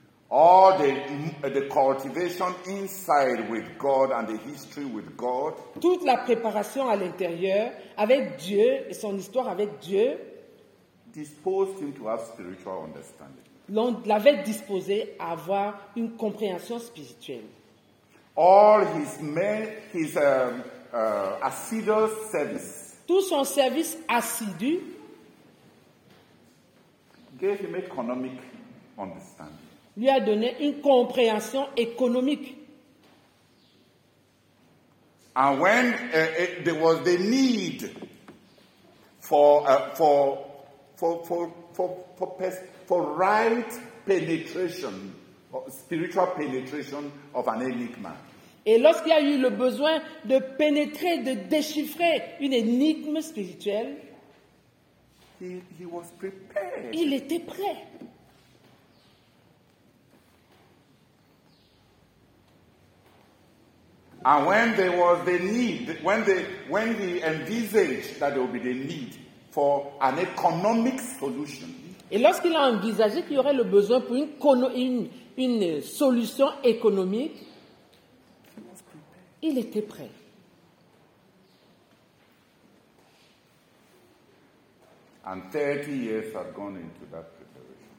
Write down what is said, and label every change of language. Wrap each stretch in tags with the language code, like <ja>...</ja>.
<en>All the cultivation inside with God and the history with God.</en> <fr>Toute la préparation à l'intérieur avec Dieu et son histoire avec Dieu.</fr> <en>Disposed him to have spiritual understanding.</en> <fr>L'on l'avait disposé à avoir une compréhension spirituelle.</fr> <en>All his assiduous service.</en> <fr>Tout son service assidu.</fr> <en>Gave him economic understanding.</en> <fr>Lui a donné une compréhension économique.</fr> <en>And when there was the need for right penetration, spiritual penetration of an enigma.</en> <fr>Et lorsqu'il y a eu le besoin de pénétrer, de déchiffrer une énigme spirituelle,</fr> <en>he was prepared.</en> <fr>Il était prêt.</fr> <en>And when there was the need, when he envisaged that there would be the need for an economic solution.</en> <fr>Et lorsqu'il a envisagé qu'il y aurait le besoin pour une solution économique, il était prêt.</fr> <en>And 30 years had gone into that preparation.</en>